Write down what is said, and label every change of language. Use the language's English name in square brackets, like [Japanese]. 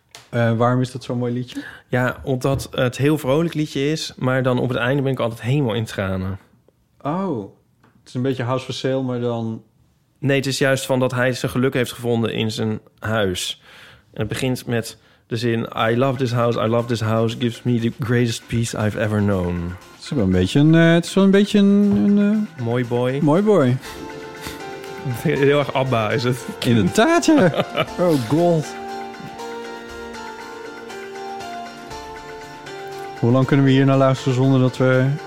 [Dutch] Waarom is dat zo'n mooi liedje? Ja, omdat het heel vrolijk liedje is, maar dan op het einde ben ik altijd helemaal in tranen. Oh, het is een beetje House for Sale, maar dan... Nee, het is juist van dat hij zijn geluk heeft gevonden in zijn huis. En het begint met de zin... [English] I love this house gives me the greatest peace I've ever known. [Dutch] Het is wel een beetje een... Mooi boy. Mooi boy. Heel erg Abba is het. Inderdaad, ja. Oh god. Hoe lang kunnen we hier naar luisteren zonder dat we...